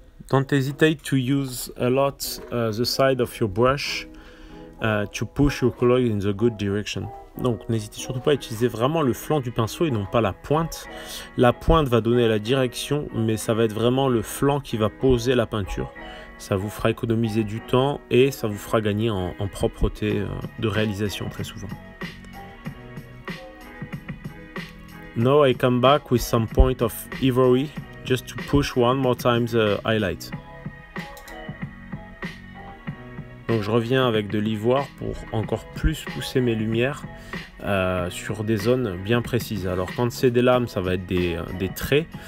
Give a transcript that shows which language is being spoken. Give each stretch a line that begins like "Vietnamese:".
English: Don't hesitate to use a lot the side of your brush to push your color in the good direction.
French: Donc n'hésitez surtout pas à utiliser vraiment le flanc du pinceau et non pas la pointe. La pointe va donner la direction, mais ça va être vraiment le flanc qui va poser la peinture. Ça vous fera économiser du temps et ça vous fera gagner en propreté de réalisation très souvent.
English: Now I come back with some point of ivory. Just to push one more time the highlight.
French: Donc je reviens avec de l'ivoire pour encore plus pousser mes lumières sur des zones bien précises. Alors quand c'est des lames, ça va être des traits.